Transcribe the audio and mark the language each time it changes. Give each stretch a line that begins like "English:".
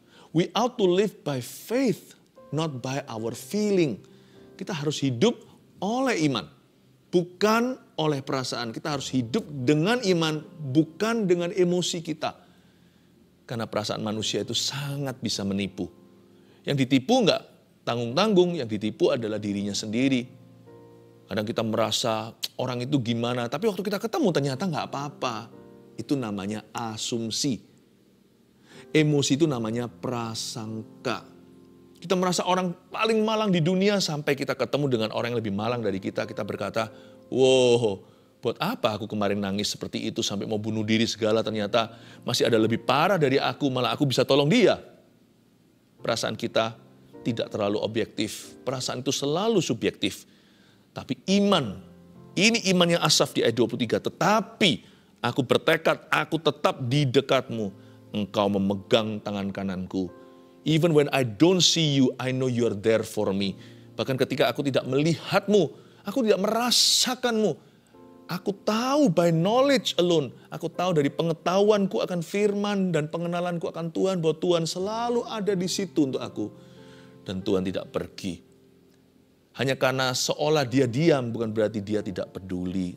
English: We ought to live by faith, not by our feeling.
Indonesian: Kita harus hidup oleh iman, bukan oleh perasaan. Kita harus hidup dengan iman, bukan dengan emosi kita. Karena perasaan manusia itu sangat bisa menipu. Yang ditipu enggak tanggung-tanggung, yang ditipu adalah dirinya sendiri. Kadang kita merasa orang itu gimana, tapi waktu kita ketemu ternyata enggak apa-apa. Itu namanya asumsi. Emosi itu namanya prasangka. Kita merasa orang paling malang di dunia sampai kita ketemu dengan orang yang lebih malang dari kita. Kita berkata, wow, buat apa aku kemarin nangis seperti itu sampai mau bunuh diri segala, ternyata masih ada lebih parah dari aku, malah aku bisa tolong dia. Perasaan kita tidak terlalu objektif, perasaan itu selalu subjektif. Tapi iman, ini iman yang Asaf di ayat 23, tetapi aku bertekad, aku tetap di dekatmu, engkau memegang tangan kananku.
English: Even when I don't see you, I know you are there for me.
Indonesian: Bahkan ketika aku tidak melihatmu, aku tidak merasakanmu, aku tahu
English: by knowledge alone,
Indonesian: aku tahu dari pengetahuanku akan firman dan pengenalanku akan Tuhan, bahwa Tuhan selalu ada di situ untuk aku. Dan Tuhan tidak pergi. Hanya karena seolah dia diam, bukan berarti dia tidak peduli.